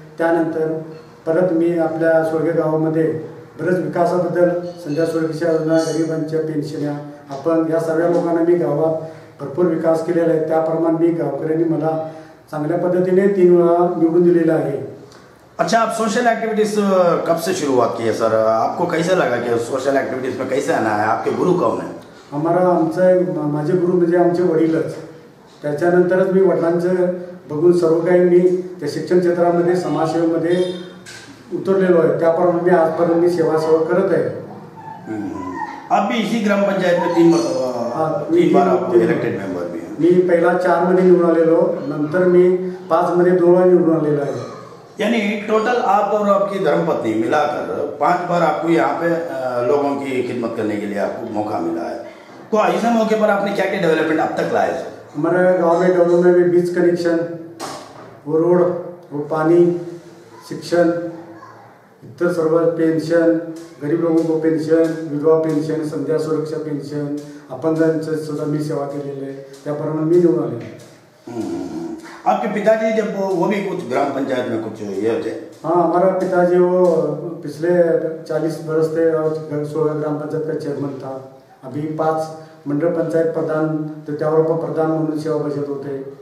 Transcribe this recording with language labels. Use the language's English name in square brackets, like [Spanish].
[Marathi] त्यानंतर परत मी आपल्या सोळगे गावामध्ये बरंच विकासाबद्दल संध्या सुरक्षा योजना, गरिबांच्या पेन्शन्या, आपण या सर्व लोकांना मी गावात भरपूर विकास केलेला आहे. त्याप्रमाणे मी गावकऱ्यांनी मला चांगल्या पद्धतीने 3 वेळा निवडून दिलेलं आहे. [Hindi] अच्छा, आप सोशल ऍक्टिव्हिटीज कब से शुरुआत की है सर? आपको कैसे लगा कि सोशल ऍक्टिव्हिटीज में कैसे आना है? आपके गुरु कौन है? हमारा [Marathi] आमचा माझे गुरु म्हणजे आमचे वडीलच. त्याच्यानंतरच मी वडिलांचं बघून सर्व काही मी त्या शिक्षण क्षेत्रामध्ये समाजसेवेमध्ये उतरलेलो आहे. त्याप्रमाणे मी आजपर्यंत मी सेवा करत आहे. [Hindi] अभी ग्राम पंचायत में 3 बार इलेक्टेड मेंबर भी हैं. [Marathi] मी पहला 4 मध्ये निवडून आलेलो, नंतर मी 5 मध्ये 2 वेळा निवडून आलेलो आहे. [Hindi] यानी टोटल आप और आपकी धर्मपत्नी मिलाकर 5 बार आपको यहाँ पे लोगों की खिदमत करने के लिए आपको मौका मिला है. तो ऐसे मौके पर आपने क्या क्या डेवलपमेंट अब तक लाए? हमारे गाँव में डेवलपमेंट में बीच कनेक्शन, वो रोड, वो पानी, शिक्षण, इतर सर्व पेन्शन, गरीब लोगों को पेन्शन, विधवा पेन्शन, संध्या सुरक्षा पेन्शन, [Marathi] अपंगांचं सुद्धा मी सेवा केलेली आहे. त्याप्रमाणे मी निवडून आले. [Hindi] आपके पिताजी जब वो भी कुछ ग्राम पंचायत में कुछ ये होते? हाँ, हमारा पिताजी वो पिछले 40 बरस थे और सोलह ग्राम पंचायत का चेयरमैन था. अभी 5 मंडल पंचायत प्रधान, [Marathi] तो त्यावर पण प्रधान म्हणून सेवा बजत होते.